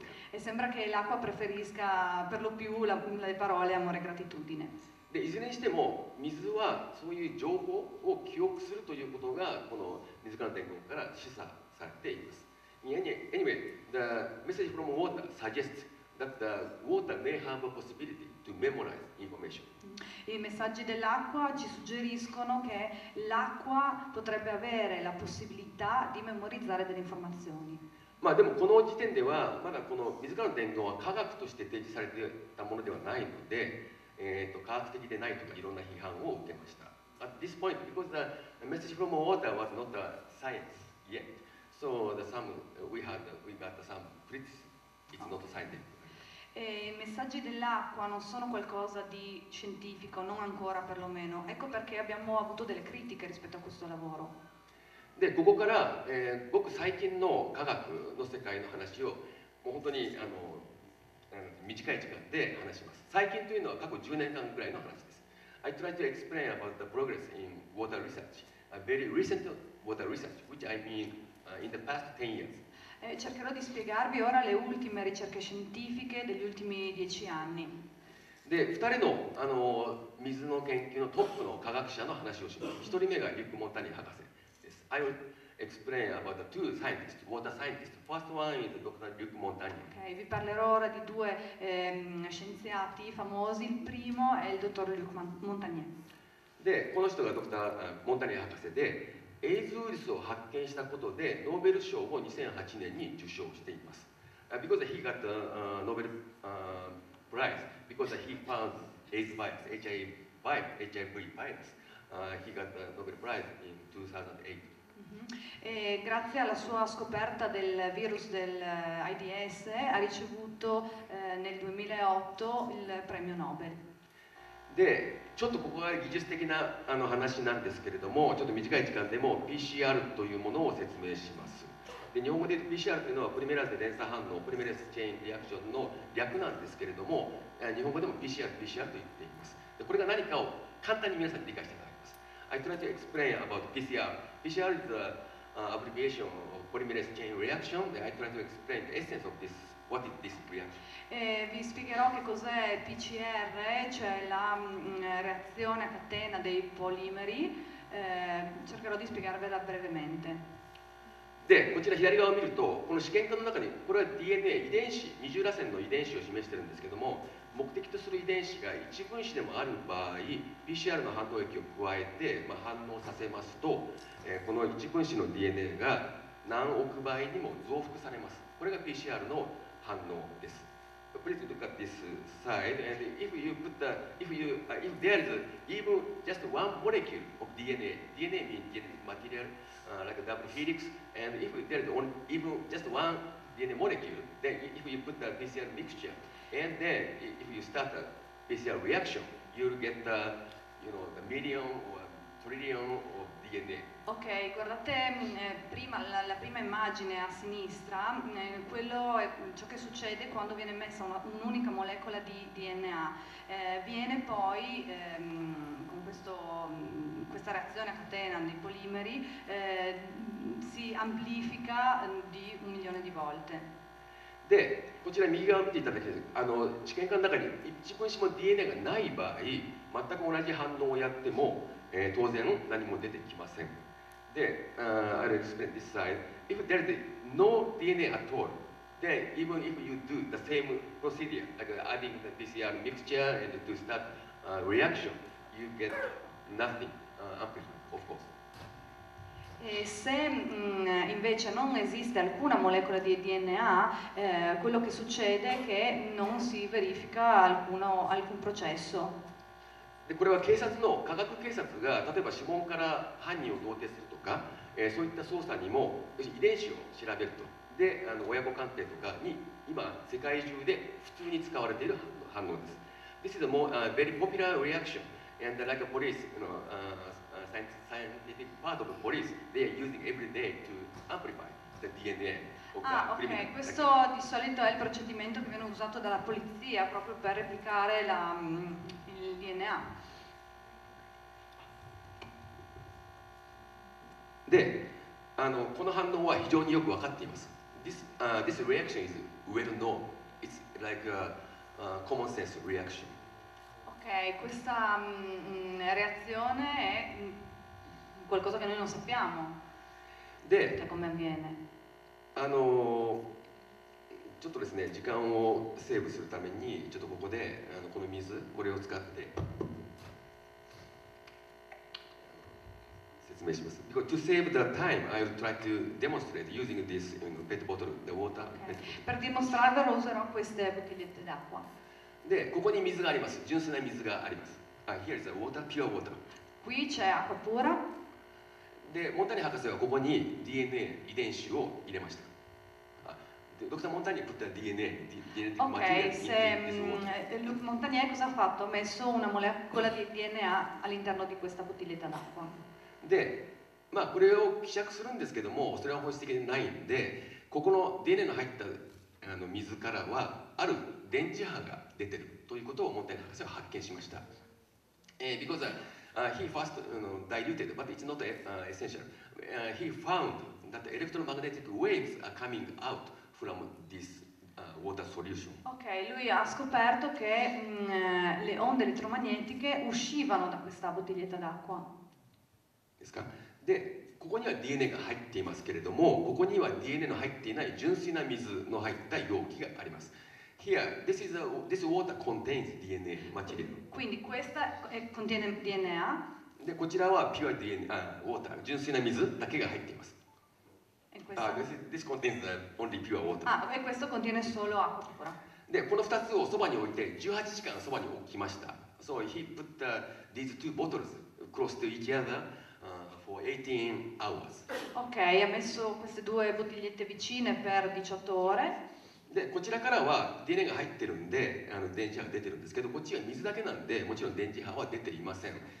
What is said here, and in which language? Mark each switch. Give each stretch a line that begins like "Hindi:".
Italian: E sembra che l'acqua preferisca per lo più le parole amore e gratitudine.
Japanese: で、いずれにしても水はそういう情報を記憶するということがこの水からの伝言から示唆されています。
English: Anyway, the message from water suggests. That the water may have a possibility to memorize information.
Italian: I messaggi dell'acqua ci suggeriscono che l'acqua potrebbe avere la possibilità di memorizzare delle informazioni.
Japanese: まあでもこの時点ではまだこの水からの伝言は科学として提示されていたものではないので、科学的でないとかいろんな批判を受けました。
English: At this point, because the message from water was not a science yet, so we got some criticism. It's not scientific.
Italian: I messaggi dell'acqua non sono qualcosa di scientifico, non ancora perlomeno. Ecco perché abbiamo avuto delle critiche rispetto a questo lavoro.
Japanese: で、ここから、ごく最近の科学の世界の話を、もう本当にあの短い時間で話します。最近というのは過去10年間ぐらいの話です。
English: I try to explain about the progress in water research, a very recent water research, which I mean in the past 10 years.
Italian: Cercherò di spiegarvi ora le ultime ricerche scientifiche degli ultimi 10 anni.
Japanese: で、2人の、あの、水の研究のトップの科学者の話をします。 1人目がリュック・モンタニー博士です。
English: I will explain about the two scientists, water scientists. First one is Dr. Luc Montagnier.
Italian: Okay, vi parlerò ora di due scienziati famosi. Il primo è il dottor Luc Montagnier.
Japanese: で、この人がドクター・モンタニー博士で、エイズウイルスを発見したことでノーベル賞を2008年に受賞しています。
English: Because he got the Nobel prize because he found AIDS virus, HIV virus, he got the Nobel prize in 2008.
Italian: E grazie alla sua scoperta del virus dell'AIDS ha ricevuto nel 2008 il premio Nobel.
Japanese: でちょっとここは技術的なあの話なんですけれどもちょっと短い時間でも PCR というものを説明します。で日本語で言うと PCR というのはプリメラーゼ連鎖反応プリメラーゼチェーンリアクションの略なんですけれども日本語でも PCR と言っています。でこれが何かを簡単に皆さんに理解していただきます。
English: I try to explain about PCR. PCR is the abbreviation of polymerase chain reaction. I try to explain the essence of thisWhat is this reaction?
Italian: Vi spiegherò che cos'è PCR, cioè la reazione a catena dei polimeri. Cercherò di spiegarvela brevemente.
Japanese: で、こちら左側を見ると、この試験管の中に、これは DNA 遺伝子、二重らせんの遺伝子を示しているんですけども、目的とする遺伝子が一分子でもある場合、PCR の反応液を加えて、まあ、反応させますと、この一分子の DNA が何億倍にも増幅されます。これが PCR の反応です。
English: Please look at this side. And if you put the, if there is even just one molecule of DNA, DNA means DNA material, like a double helix. And if there is only even just one DNA molecule, then if you put the PCR mixture, and then if you start a PCR reaction, you'll get the, you know, the million or trillion of DNA.
Italian: Ok, guardate la prima immagine a sinistra, quello è ciò che succede quando viene messa un'unica molecola di DNA. Viene poi, con questa reazione a catena dei polimeri, si amplifica di un milione di volte.
Japanese: で、こちら右側を見ていただけると、あの試験管の中に一分子も DNA がない場合、全く同じ反応をやっても、当然何も出てきません。
English: I'll explain this side. If there is no DNA at all, then even if you do the same procedure, like adding the PCR mixture and to start reaction, you get nothing, of course.
Italian: E se invece non esiste alcuna molecola di DNA, quello che succede è che non si verifica alcun processo.
Japanese: でこれは警察の科学警察が例えば指紋から犯人を同定するとか、そういった捜査にも遺伝子を調べるとで親子鑑定とかに今世界中で普通に使われている反応です。
English: This is a more, very popular reaction and like a police, you know, scientific part of the police, they are using every day to amplify the DNA. Ah, ok.
Italian: Questo di solito è il procedimento che viene usato dalla polizia proprio per replicare il DNA.
Japanese: で、あの、この反応は非常によく分かっています。
English: This reaction is well known. It's like a common sense reaction.
Italian: Ok, questa reazione è qualcosa che noi non sappiamo.
Japanese: で、
Italian: cioè, come avviene?
Japanese: あのちょっとですね時間をセーブするためにちょっとここであのこの水これを使って説明します。
English: To save the time, I will try to demonstrate using this pet bottle, the water.
Italian: Per dimostrarlo userò queste bottigliette d'acqua.
Japanese: でここに水があります。純粋な水があります。
English: Here is the water, pure water.
Italian: Qui c'è acqua pura.
Japanese: で、モンタニー博士はここに DNA 遺伝子を入れました。で、ドクター・モンタニーは DNA、DNA、DNA、DNA、DNA、DNA、DNA、
Italian: DNA、DNA、モンタニー cosa ha fatto? Ha messo una molecola di DNA all'interno di questa bottiglietta d'acqua。
Japanese: で、まあ、これを希釈するんですけども、それは本質的にないんで、ここの DNA の入ったあの水からは、ある電磁波が出てるということをモンタニー博士は発見しました。
English: Because he first diluted, but it's not essential. He found that electromagnetic waves are coming out from this water solution.
Italian: Okay, lui ha scoperto che le onde elettromagnetiche uscivano da questa bottiglietta d'acqua.
Japanese: ですか。で、ここには DNA が入っていますけれども、ここには DNA の入っていない純粋な水の入った容器があります。
English: Here, this water contains DNA material.
Italian: Quindi questa contiene DNA.
Japanese: で、こちらは
English: pure DNA, water,
Japanese: 純粋な水だけが入っています。
English: This contains only pure water.
Italian: Ah, e questo contiene solo acqua pura.
Japanese: で、この2つをそばに置いて18時間そばに置きました。
English: So he put these two bottles close to each other, for 18 hours.
Italian: Ok, ha messo queste due bottigliette vicine per 18 ore.
Japanese: で、こちらからは電源が入ってるんで、あの電磁波が出てるんですけど、こっちは水だけなんで、もちろん電磁波は出ていません。